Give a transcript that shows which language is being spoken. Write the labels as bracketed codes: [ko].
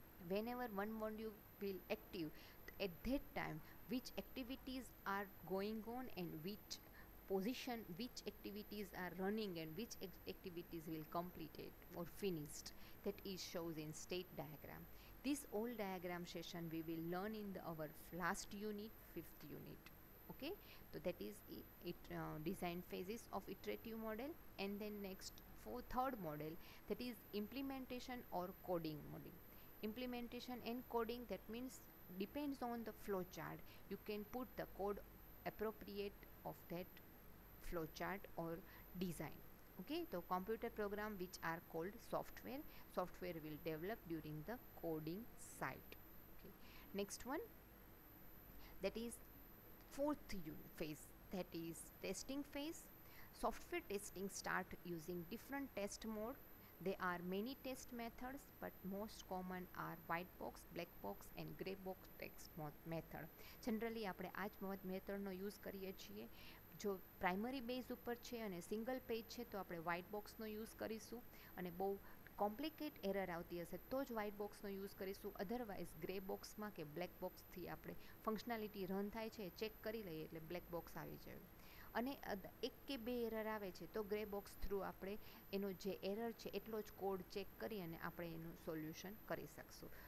[en] When ever one module will active at that time, which activities are going on and which position, which activities are running and which activities will completed or finished, that is shows in state diagram. This all diagram session we will learn in the our last unit, fifth unit. Okay, તો that is it design phases of iterative model. And then next for third model, that is implementation or coding model. Implementation and coding, that means depends on the flowchart, you can put the code appropriate of that flowchart or design. Okay, so computer program which are called software, software will develop during the coding site. Okay, next one, that is fourth phase, that is testing phase. Software testing start using different test mode. There are many test methods, but most common are white box, black box and grey box text method. [gu] Generally, આપણે આ જ મેથડનો use કરીએ છીએ. જો primary base ઉપર છે અને single page છે તો આપણે વ્હાઇટ બોક્સનો યુઝ કરીશું, અને બહુ કોમ્પ્લિકેટ એરર આવતી હશે તો જ વ્હાઇટ બોક્સનો યુઝ કરીશું. અધરવાઇઝ ગ્રે બોક્સમાં કે બ્લેક બોક્સથી આપણે ફંક્શનાલિટી રન થાય છે ચેક કરી લઈએ એટલે બ્લેક બોક્સ આવી જાય, અને એક કે બે એરર આવે છે તો ગ્રે બોક્સ થ્રુ આપણે એનો જે એરર છે એટલો જ કોડ ચેક કરી અને આપણે એનું સોલ્યુશન કરી શકશું.